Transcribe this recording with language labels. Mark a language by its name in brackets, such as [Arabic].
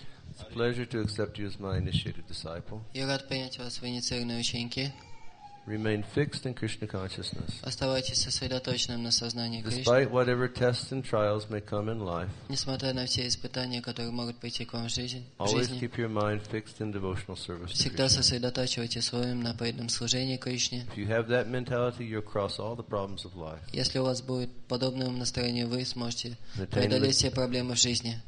[English] It's a pleasure to accept you as my initiated disciple. [Russian] Я рад принять вас в инициированные ученики. [English] Remain fixed in Krishna consciousness. [Russian] Оставайтесь сосредоточенным на сознании Кришны. [English] Despite whatever tests and trials may come in life. [Russian] Несмотря на все испытания, которые могут прийти к вам в жизнь. [English] Always keep your mind fixed in devotional service. [Russian] Всегда сосредотачивайте свой ум на преданном служении Кришне. [English] If you have that mentality, you'll cross all the problems of life. [Russian] Если у вас будет подобное настроение, вы сможете преодолеть все проблемы в жизни.